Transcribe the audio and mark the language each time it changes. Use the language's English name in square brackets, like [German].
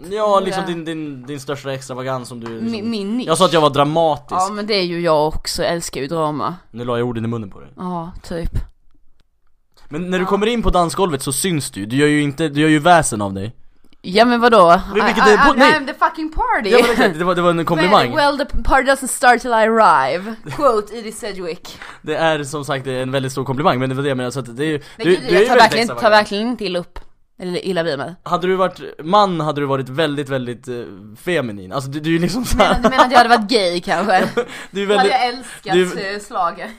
[Swedish] Ja, liksom din största extravagans som du liksom. Min nisch. Jag sa att jag var dramatisk. Ja, men det är ju jag också. Jag älskar ju drama. Nu la jag orden i munnen på dig. Ja, typ. Men när du kommer in på dansgolvet så syns du. Du gör ju inte, du gör ju väsen av dig. Ja, men vadå? [English] I'm the fucking party. [Swedish] Ja, men det var en komplimang. [English] Well, the party doesn't start till I arrive. Quote Edie Sedgwick. [Swedish] Det är som sagt en väldigt stor komplimang. Men det var det jag menar, så att det är, jag tar verkligen inte illa upp. Eller illa vid mig. Hade du varit man hade du varit väldigt, väldigt feminin. Alltså du är ju liksom så här. Men att jag hade varit gay kanske. Du är väldigt, hade jag älskat slaget.